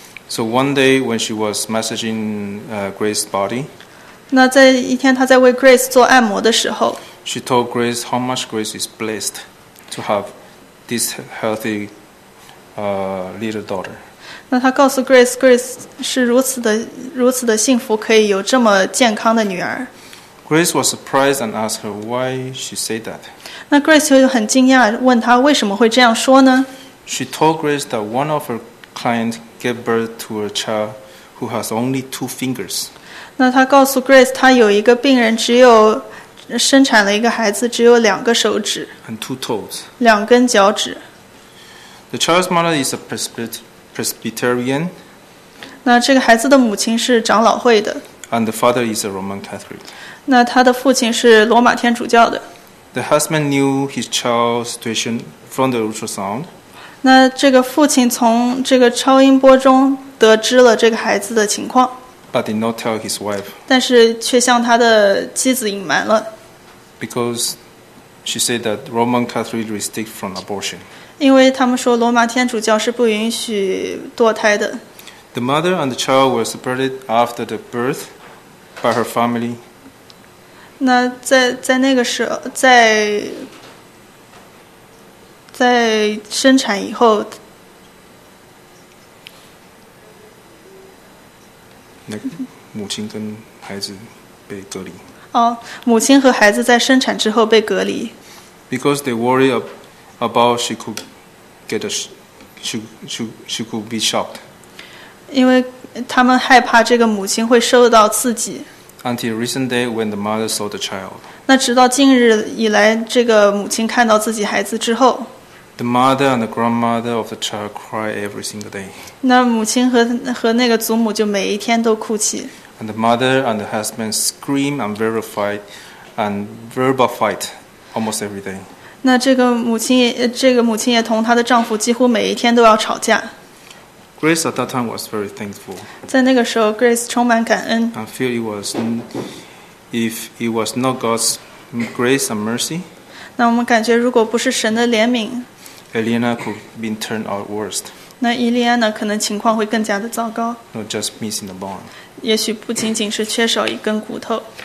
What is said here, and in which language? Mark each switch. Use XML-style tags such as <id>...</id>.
<en>So one day when she was massaging Grace's body.</en> <zh>那在一天，她在为 Grace 做按摩的时候</zh> <en>，She told Grace how much Grace is blessed to have this healthy, little daughter.</en> <zh>那她告诉 Grace 是如此的幸福，可以有这么健康的女儿。</zh> <en>Grace was surprised and asked her why she said that.</en> <zh>那 Grace 就很惊讶，问她为什么会这样说呢</zh> <en>？She told Grace that one of her clients gave birth to a child who has only 2 fingers.</en> <zh>那他告诉 Grace， 他有一个病人，只有生产了一个孩子，只有2个手指</zh> <en>，and 2 toes，</en> <zh>2根脚趾。</zh> <en>The child's mother is a Presbyterian.</en> <zh>那这个孩子的母亲是长老会的。</zh> <en>And the father is a Roman Catholic.</en> <zh>那他的父亲是罗马天主教的。</zh> <en>The husband knew his child's situation from the ultrasound.</en> <zh>那这个父亲从这个超音波中得知了这个孩子的情况。</zh> <en>But did not tell his wife.</en> <zh>但是却向他的妻子隐瞒了。</zh> <en>Because She said that Roman Catholic restrict from abortion.</en> <zh>因为他们说罗马天主教是不允许堕胎的。</zh> <en>The mother and the child were separated after the birth by her family.</en> <zh>那在那个时候，在生产以后。那母亲跟孩子被隔离。哦，母亲和孩子在生产之后被隔离。</zh> <en>Because they worry about she could get a she could be shocked.</en> <zh>因为他们害怕这个母亲会受到刺激。</zh> <en>Until recent day, when the mother saw the child.</en> <zh>那直到近日以来，这个母亲看到自己孩子之后。</zh> <en>The mother and the grandmother of the child cry every single day.</en> <zh>那母亲和那个祖母就每一天都哭泣。</zh> <en>And the mother and the husband scream and verbal fight almost every day.</en> <zh>那这个母亲也同她的丈夫几乎每一天都要吵架。</zh> <en>Grace at that time was very thankful.</en> <zh>在那个时候 ，Grace 充满感恩。</zh> <en>I feel it was if it was not God's grace and mercy.</en> <zh>那我们感觉如果不是神的怜悯。</zh> <en>Elena could have been turned out worse.</en> <zh>那 Elena 可能情况会更加的糟糕。</zh> <en>Not just missing the bone.</en> <zh>也许不仅仅是缺少一根骨头。</zh>